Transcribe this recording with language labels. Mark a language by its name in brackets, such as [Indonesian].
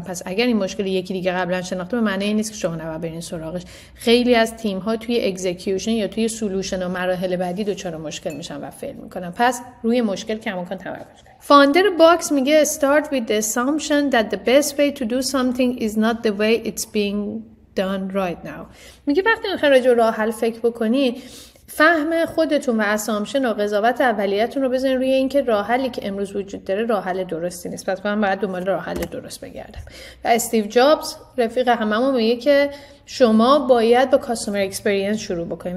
[Persian] پس اگر این مشکل یکی دیگه قبلا شناخته به معنی این نیست که شما نباید برین سراغش. خیلی از تیم ها توی اکزیکیوشن یا توی سولوشن و مراحل بعدی دوچار مشکل میشن و فیل میکنن. پس روی مشکل کماکان تمرکز کنید. فاندر باکس میگه [English] start with the assumption that the best way to do something is not the way it's being done right now. [Persian] میگه وقتی میخواین راجع به راه حل فکر بکنید، فهم خودتون و اسامشن و قضاوت اولیتون رو بزنین روی اینکه راه حلی که امروز وجود داره راه حل درستی نیست. پس من باید دنبال راه حل درست بگردم. و استیو جابز رفیق هممون میگه که شما باید با کاستمر اکسپریانس شروع بکنین.